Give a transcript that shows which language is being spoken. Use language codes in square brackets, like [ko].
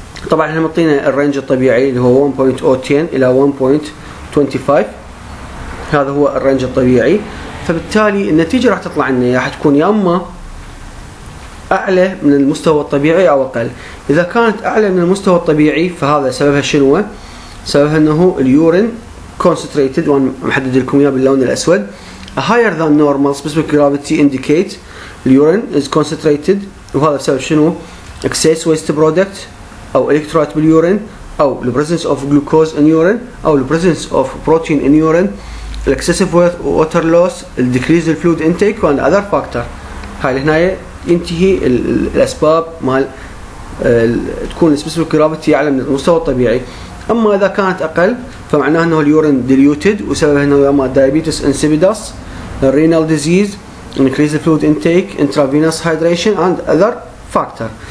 [ar] طبعا احنا معطينا الرينج الطبيعي اللي هو 1.010 الى 1.25، هذا هو الرينج الطبيعي. فبالتالي النتيجه راح تطلع لنا يا حتكون يا اما أعلى من المستوى الطبيعي أو أقل. إذا كانت أعلى من المستوى الطبيعي فهذا سببها شنو؟ سببها أنه اليورين concentrated، وأنا محدد لكم إياه باللون الأسود. [en] A higher than normal specific gravity indicates the urine is concentrated. [ar] وهذا بسبب شنو؟ Excess waste product أو electrolyte بالurine أو the presence of glucose in urine أو the presence of protein in urine. Excessive water loss, decrease the fluid intake and other factor. هاي هنا ينتهي الأسباب مال تكون specific gravity أعلى من المستوى الطبيعي. أما إذا كانت أقل فمعناه أنه اليورين ديليوتد، وسببه أنه أما الدايابيتس إنسيبيدس، الرينال ديزيز، إنكريز الفلود إنتيك، إنترافينوس هيدريشن أند أذر فاكتر.